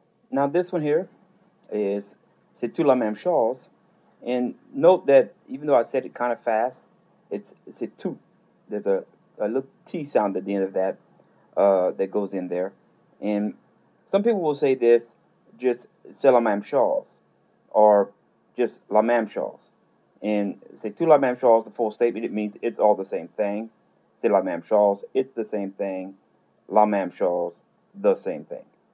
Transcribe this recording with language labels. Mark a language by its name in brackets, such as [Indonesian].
[English] Now, this one here is [French] c'est tout la même chose. [English] And note that even though I said it kind of fast, It's a tout. There's a little T sound at the end of that that goes in there. And some people will say this, just [French] c'est la même chose, [English] or just [French] la même chose. [English] And [French] c'est tout la même chose, [English] the full statement, it means it's all the same thing. [French] C'est la même chose, [English] it's the same thing. [French] La même chose, [English] the same thing.